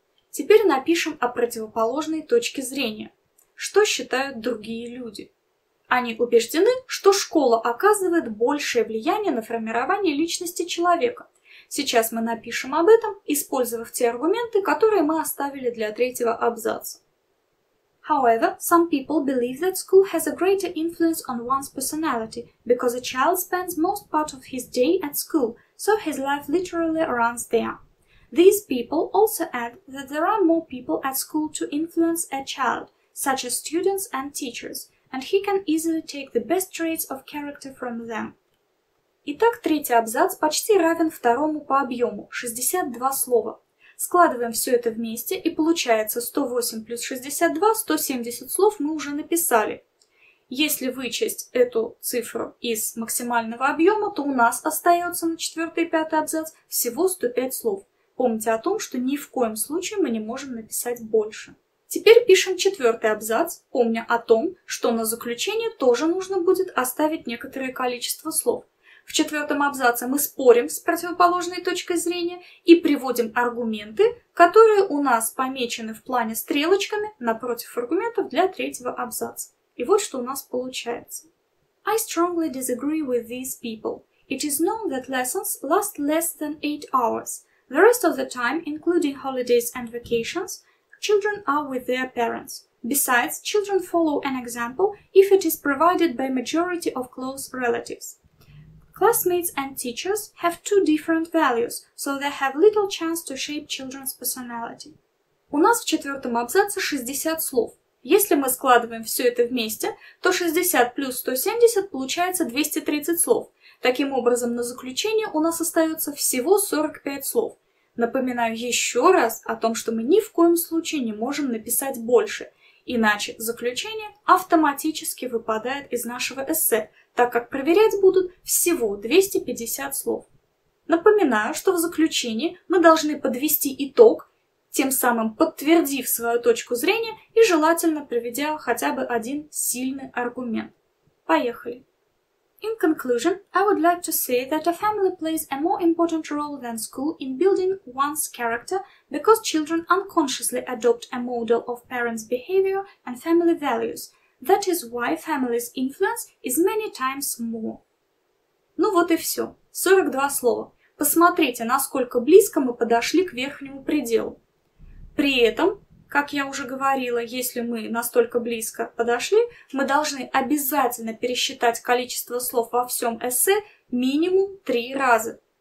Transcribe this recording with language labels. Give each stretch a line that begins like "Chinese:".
Russian: Теперь напишем о противоположной точке зрения. Что считают другие люди? Они убеждены, что школа оказывает большее влияние на формирование личности человека. Сейчас мы напишем об этом, использовав те аргументы, которые мы оставили для третьего абзаца.
English: However, some people believe that school has a greater influence on one's personality, because a child spends most part of his day at school, so his life literally runs there. These people also add that there are more people at school to influence a child, such as students and teachers, and he can easily take the best traits of character from them.
Russian: Итак, третий абзац почти равен второму по объему – 62 слова. Складываем все это вместе, и получается 108 плюс 62 – 170 слов мы уже написали. Если вычесть эту цифру из максимального объема, то у нас остается на четвертый и пятый абзац всего 105 слов. Помните о том, что ни в коем случае мы не можем написать больше. Теперь пишем четвертый абзац, помня о том, что на заключение тоже нужно будет оставить некоторое количество слов. В четвертом абзаце мы спорим с противоположной точкой зрения и приводим аргументы, которые у нас помечены в плане стрелочками напротив аргументов для третьего абзаца. И вот что у нас получается.
English: I strongly disagree with these people. It is known that lessons last less than 8 hours. The rest of the time, including holidays and vacations, children are with their parents. Besides, children follow an example if it is provided by majority of close relatives. Classmates and teachers have two different values, so they have little chance to shape children's personality.
Russian: У нас в четвертом абзаце 60 слов. Если мы складываем все это вместе, то 60 плюс 170 получается 230 слов. Таким образом, на заключение у нас остается всего 45 слов. Напоминаю еще раз о том, что мы ни в коем случае не можем написать больше, иначе заключение автоматически выпадает из нашего эссе, так как проверять будут всего 250 слов. Напоминаю, что в заключении мы должны подвести итог, тем самым подтвердив свою точку зрения и желательно приведя хотя бы один сильный аргумент. Поехали!
English: In conclusion, I would like to say that a family plays a more important role than school in building one's character because children unconsciously adopt a model of parents' behavior and family values. That is why family's influence is many times more.
Russian: Ну вот и все. 42 слова. Посмотрите, насколько близко мы подошли к верхнему пределу. При этом, как я уже говорила, если мы настолько близко подошли, мы должны обязательно пересчитать количество слов во всем эссе минимум 3 раза.